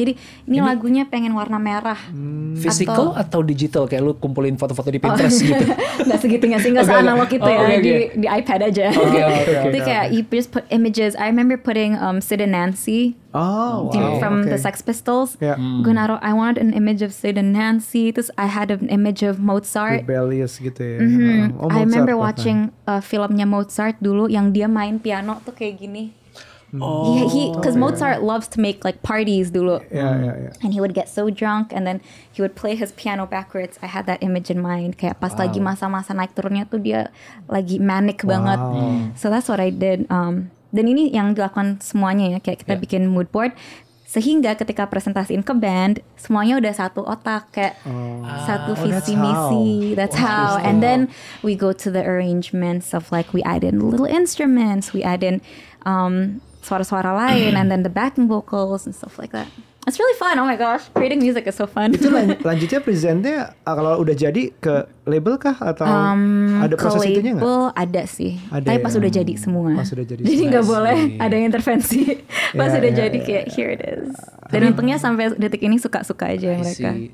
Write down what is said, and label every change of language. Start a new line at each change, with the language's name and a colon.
Indonesian: Jadi ini lagunya pengen warna merah. Physical atau digital? Kayak lu kumpulin foto-foto di Pinterest gitu. Gak segitunya sih, gak se-analog itu ya. Di iPad aja. Oke, oke, oke. Itu kayak
English: you just put images. I remember putting Sid and Nancy. The Sex Pistols. Yeah.
Indonesian: Gue naro,
English: I wanted an image of Sid and Nancy.
Indonesian: Terus
English: I had an image of Mozart.
Indonesian: Rebellious gitu ya. Mm-hmm. Oh,
English: I remember watching
Indonesian: filmnya Mozart dulu yang dia main piano tuh kayak gini.
English: Mozart loves to make like parties
Indonesian: dulu.
English: Yeah. And he would get so drunk and then he would play his piano backwards. I had that image in mind.
Indonesian: Kayak pas lagi masa-masa naik turunnya tuh dia lagi manic banget.
English: So that's what I did.
Indonesian: Dan ini yang dilakukan semuanya ya, kayak kita bikin mood board sehingga ketika presentasiin ke band semuanya udah satu otak, kayak satu visi misi.
English: That's how. And then we go to the arrangements of like we add in little instruments, we add in
Indonesian: suara-suara lain,
English: and then the backing vocals and stuff like that. It's really fun. Oh my gosh, creating music is so fun.
Indonesian: Itu lanjutnya presentnya kalau udah jadi ke label kah atau ada proses itunya nggak? Ke label ada sih. Ada. Tapi pas udah jadi semua. Pas udah jadi. Jadi nggak boleh ada intervensi. Pas udah jadi.
English: Here it is.
Indonesian: Dan untungnya sampai detik ini suka-suka aja mereka.